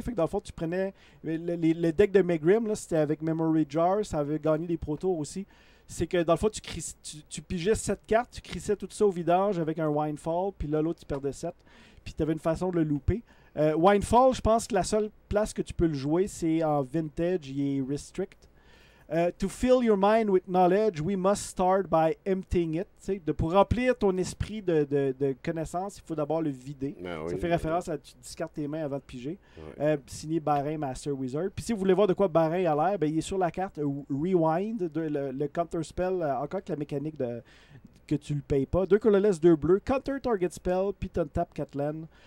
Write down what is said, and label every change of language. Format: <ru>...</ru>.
<fr>Fait que dans le fond, tu prenais le deck de Megrim, là, c'était avec Memory Jar, ça avait gagné des Pro Tours aussi. C'est que dans le fond, tu pigeais 7 cartes, tu crissais tout ça au vidange avec un Winefall, puis là, l'autre, tu perdais 7. Puis tu avais une façon de le louper. Winefall, je pense que la seule place que tu peux le jouer, c'est en vintage, il est restrict.</fr> <en>To fill your mind with knowledge, we must start by emptying it.</en> <fr>Pour remplir ton esprit de connaissances, il faut d'abord le vider. Ben ça oui, fait référence à tu discartes tes mains avant de piger. Signé Barin Master Wizard. Puis si vous voulez voir de quoi Barin a l'air, ben, il est sur la carte Rewind, le counter spell, encore que la mécanique de que tu le payes pas. Deux colorless, deux bleus, counter target spell, puis tu tapes Catlan.</fr>